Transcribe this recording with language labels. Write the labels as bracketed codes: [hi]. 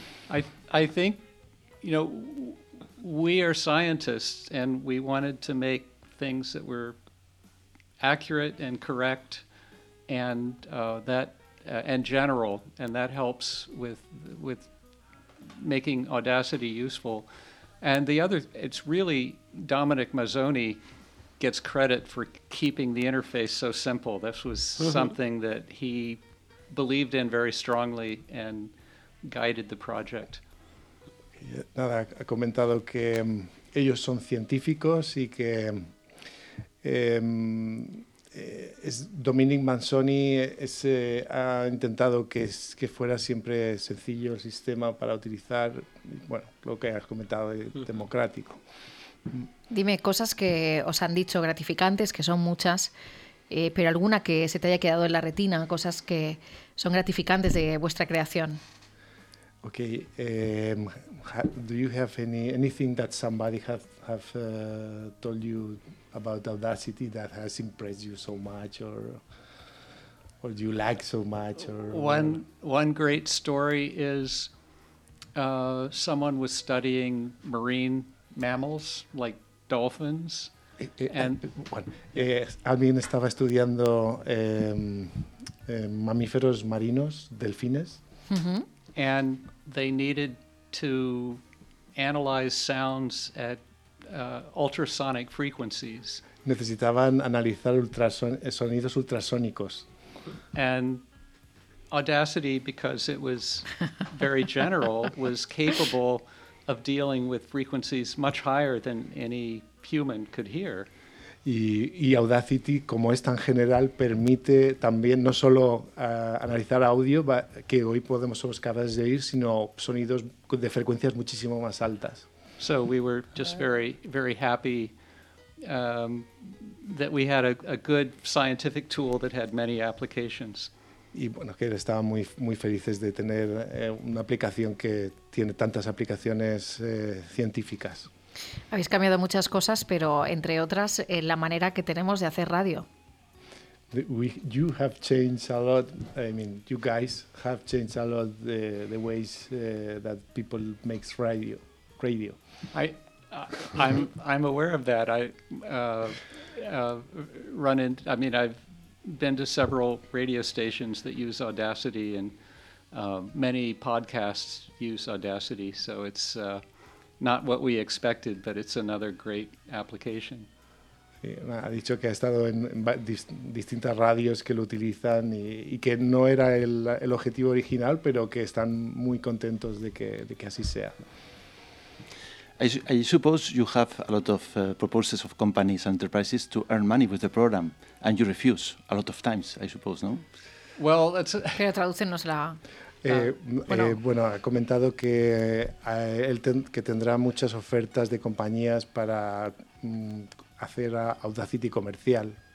[en] I think, you know, we are scientists and we wanted to make things that were accurate and correct and general, and that helps with making Audacity useful. And the other, it's really Dominic Mazzoni gets credit for keeping the interface so simple. This was something that he believed in very strongly and guided the project. [es] Nada, ha comentado que ellos son científicos y que Dominic Mazzoni ha intentado que fuera siempre sencillo el sistema para utilizar, bueno, lo que has comentado, democrático. Dime cosas que os han dicho gratificantes, que son muchas, pero alguna que se te haya quedado en la retina, cosas que son gratificantes de vuestra creación. [en] Okay, do you have anything that somebody have told you about Audacity that has impressed you so much, or you like so much? One great story is someone was studying marine mammals like dolphins. [es] Alguien estaba estudiando mamíferos marinos, delfines. Mm-hmm. [en] And they needed to analyze sounds at ultrasonic frequencies. [es] Necesitaban analizar sonidos ultrasónicos. [en] And Audacity, because it was very general, was capable of dealing with frequencies much higher than any human could hear. [es] Y Audacity, como es tan general, permite también no solo analizar audio, que hoy podemos somos capaces de oír, sino sonidos de frecuencias muchísimo más altas. [en] So we were just very, very happy that we had a good scientific tool that had many applications. [es] Y bueno, que estaban muy, muy felices de tener una aplicación que tiene tantas aplicaciones científicas. Habéis cambiado muchas cosas, pero entre otras, la manera que tenemos de hacer radio. [en] You have changed a lot. I mean, you guys have changed a lot the ways that people makes radio. Radio. I'm aware of that. I've been to several radio stations that use Audacity, and many podcasts use Audacity. So it's not what we expected, but it's another great application. [es] Sí, ha dicho que ha estado en distintas radios que lo utilizan y que no era el objetivo original, pero que están muy contentos de que así sea. [en] I suppose you have a lot of proposals of companies and enterprises to earn money with the program, and you refuse a lot of times, I suppose, no? Well, that's... [es] Pero tradúcenos la... Bueno, ha comentado que que tendrá muchas ofertas de compañías para hacer Audacity comercial.